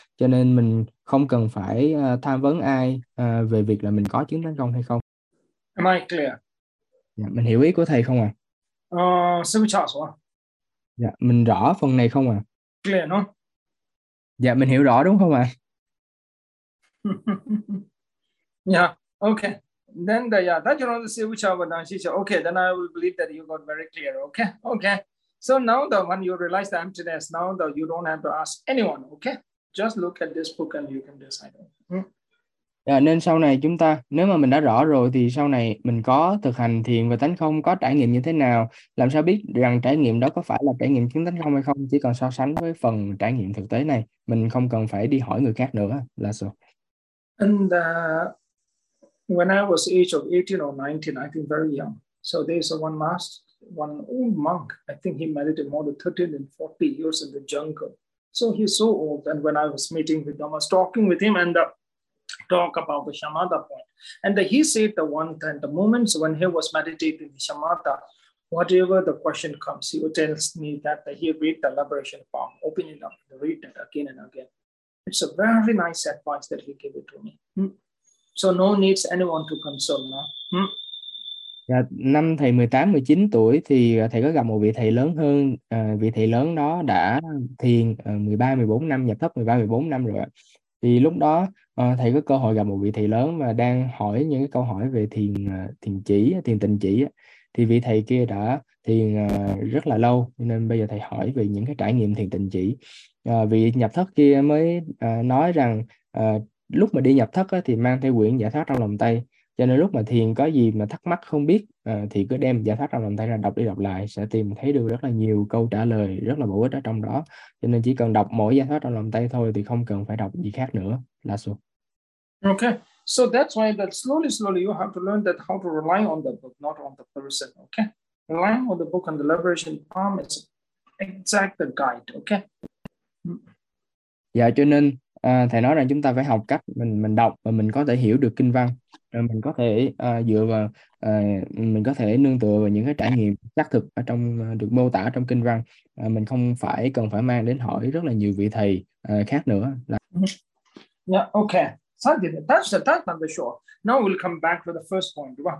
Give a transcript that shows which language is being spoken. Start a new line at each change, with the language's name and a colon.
Vietnamese: Cho nên mình không cần phải tham vấn ai về việc là mình có chứng tánh không hay không.
English: Am I clear?
Vietnamese: Dạ, mình hiểu ý của thầy không à? Xin chào số. Dạ, mình rõ phần này không à?
English: Clear
Vietnamese: không? Dạ, mình hiểu rõ đúng không ạ?
English: Yeah, okay. Then the yeah, that you know the same which I would now see. Okay, then I will believe that you got very clear. Okay. So now the when you realize the emptiness, now the you don't have to ask anyone. Okay, just look at this book and you can decide.
Vietnamese: À, nên sau này chúng ta, nếu mà mình đã rõ rồi thì sau này mình có thực hành thiền và tánh không, có trải nghiệm như thế nào, làm sao biết rằng trải nghiệm đó có phải là trải nghiệm chứng tánh không hay không, chỉ cần so sánh với phần trải nghiệm thực tế này, mình không cần phải đi hỏi người khác nữa là sao.
English: And when I was age of 18 or 19, I think very young. So there's one master, one old monk. I think he meditated more than 13 and 40 years in the jungle. So he's so old. And when I was meeting with him, I was talking with him and talk about the shamatha point. And he said the one time, the moments when he was meditating the shamatha, whatever the question comes, he would tell me that he read the liberation palm, open it up, read it again and again. It's a very nice advice that he gave it to me. So no needs anyone to console now.
Vietnamese: Dạ, năm thầy 18, 19 tuổi thì thầy có gặp một vị thầy lớn hơn, vị thầy lớn đó đã thiền 13, 14 năm, nhập thất 13, 14 năm rồi ạ. Thì lúc đó thầy có cơ hội gặp một vị thầy lớn và đang hỏi những cái câu hỏi về thiền thiền chỉ, thiền tịnh chỉ. Thì vị thầy kia đã thiền rất là lâu, nên bây giờ thầy hỏi về những cái trải nghiệm thiền tịnh chỉ. Vị nhập thất kia mới nói rằng lúc mà đi nhập thất thì mang theo quyển giải thoát trong lòng tay. Cho nên lúc mà thiền có gì mà thắc mắc không biết thì cứ đem giải thoát trong lòng tay ra đọc đi đọc lại, sẽ tìm thấy được rất là nhiều câu trả lời rất là bổ ích ở trong đó. Cho nên chỉ cần đọc mỗi giải thoát trong lòng tay thôi thì không cần phải đọc gì khác nữa là xong.
English: Okay, so that's why that slowly, slowly you have to learn that how to rely on the book, not on the person. Okay, relying on the book and the liberation palm is exactly the guide. Okay.
Vietnamese: Dạ, cho nên thầy nói rằng chúng ta phải học cách mình đọc và mình có thể hiểu được kinh văn, rồi mình có thể dựa vào mình có thể nương tựa vào những cái trải nghiệm xác thực ở trong được mô tả trong kinh văn, mình không phải cần phải mang đến hỏi rất là nhiều vị thầy khác nữa là.
English: Yeah, okay. That's the short. Now we'll come back to the first point.